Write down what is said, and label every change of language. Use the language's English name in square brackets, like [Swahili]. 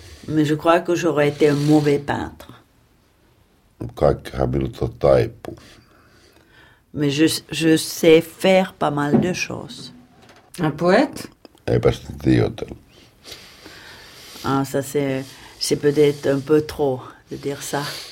[French] Mais je crois que j'aurais été un mauvais peintre. [Finnish] Kaikkihan minulta taipuu. [French] Mais je sais faire pas mal de choses. Un poète? [Finnish] Eipä sitä tiedotella. [French] Ah, ça c'est peut-être un peu trop de dire ça.